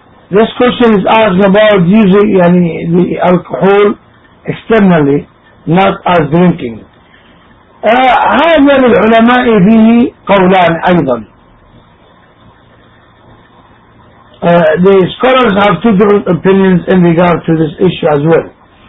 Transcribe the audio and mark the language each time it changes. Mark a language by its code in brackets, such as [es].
[en] This question is asked about using يعني the alcohol externally, not as drinking. [ar] هذا للعلماء فيه قولان أيضا. [en] The scholars have two different opinions in regard to this issue as well.